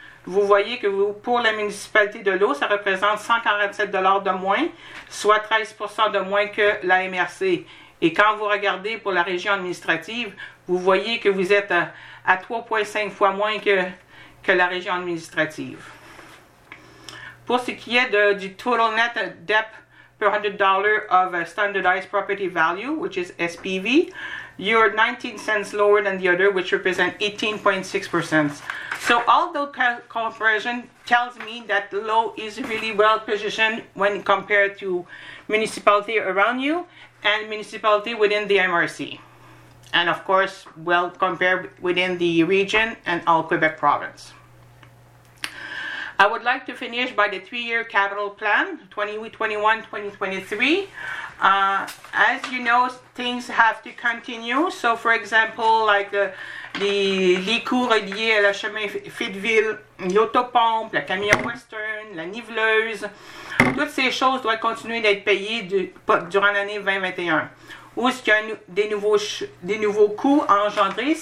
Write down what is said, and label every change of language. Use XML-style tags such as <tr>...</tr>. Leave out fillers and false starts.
<fr>Vous voyez que pour la municipalité de l'eau, ça représente 147 $ de moins, soit 13% de moins que la MRC. Et quand vous regardez pour la région administrative, vous voyez que vous êtes à 3,5 fois moins que la région administrative. Pour ce qui est du</fr> <en>total net debt per $100 of a standardized property value, which is SPV, you're 19 cents lower than the other, which represents 18.6%. So all those comparison tells me that low is really well positioned when compared to municipality around you and municipality within the MRC. And of course, well compared within the region and all Quebec province. I would like to finish by the three-year capital plan, 2021-2023. As you know, things have to continue. So, for example, like</en> <fr>les coûts reliés à la chemin Fitteville, l'autopompe, la camion Western, la niveleuse, toutes ces choses doivent continuer d'être payées durant l'année 2021. Où est-ce qu'il y a des nouveaux coûts engendrés?</fr>